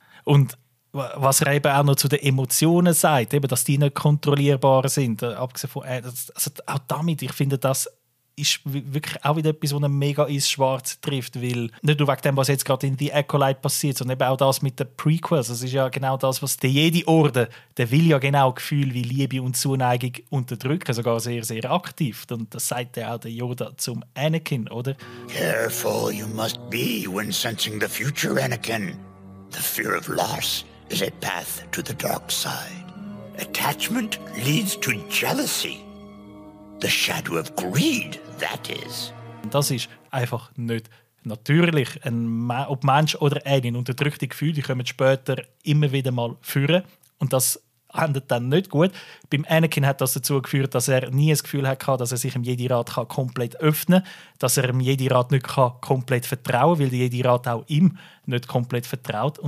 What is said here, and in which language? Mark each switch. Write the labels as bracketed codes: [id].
[de] Und was er eben auch noch zu den Emotionen sagt, eben, dass die nicht kontrollierbar sind, abgesehen von also auch damit, ich finde, das ist wirklich auch wieder etwas, was mega ins Schwarz trifft, weil nicht nur wegen dem, was jetzt gerade in The Acolyte passiert, sondern eben auch das mit den Prequels, das ist ja genau das, was der Jedi Orden, der will ja genau Gefühle wie Liebe und Zuneigung unterdrücken, sogar sehr, sehr aktiv. Und das sagt ja auch der Yoda zum Anakin, oder? [en] Careful you must be when sensing the future, Anakin. The fear of loss is a path to the dark side. Attachment leads to jealousy. The shadow of greed, that is. [de] Das ist einfach nicht natürlich. Ob Mensch oder Alien, unterdrückte Gefühle, die kommen später immer wieder mal führen. Und das endet dann nicht gut. Beim Anakin hat das dazu geführt, dass er nie das Gefühl hatte, dass er sich im Jedi-Rat komplett öffnen kann, dass er im Jedi-Rat nicht komplett vertrauen kann, weil der Jedi-Rat auch ihm nicht komplett vertraut.